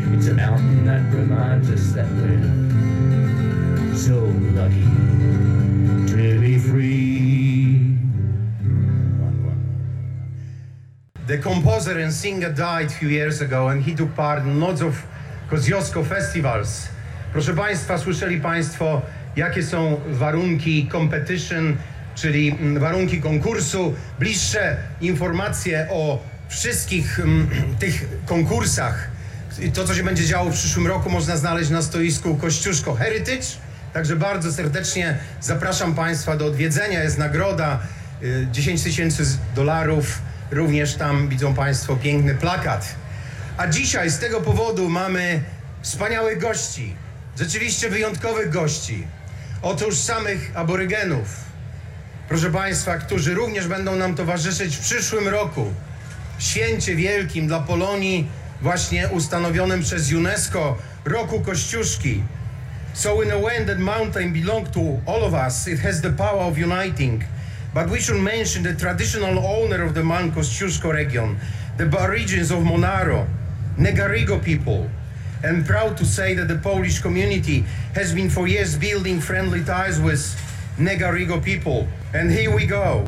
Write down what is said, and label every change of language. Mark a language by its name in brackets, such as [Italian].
[English] It's a mountain that reminds us that we're so lucky to be free. The composer and singer died a few years ago and he took part in lots of Kościuszko festivals. [Polish] Proszę Państwa, słyszeli Państwo, jakie są warunki competition, czyli warunki konkursu. Bliższe informacje o wszystkich tych konkursach to, co się będzie działo w przyszłym roku, można znaleźć na stoisku Kościuszko Heritage. Także bardzo serdecznie zapraszam Państwa do odwiedzenia. Jest nagroda $10,000. Również tam widzą Państwo piękny plakat. A dzisiaj z tego powodu mamy wspaniałych gości. Rzeczywiście wyjątkowych gości. Otóż samych aborygenów. Proszę Państwa, którzy również będą nam towarzyszyć w przyszłym roku. W święcie wielkim dla Polonii, właśnie ustanowionym przez UNESCO, Roku Kościuszki. [English] So in a way that mountain belongs to all of us, it has the power of uniting. But we should mention the traditional owner of the Mount Kościuszko region, the origins of Monaro, Negarigo people. I'm proud to say that the Polish community has been for years building friendly ties with Negarigo people. And here we go.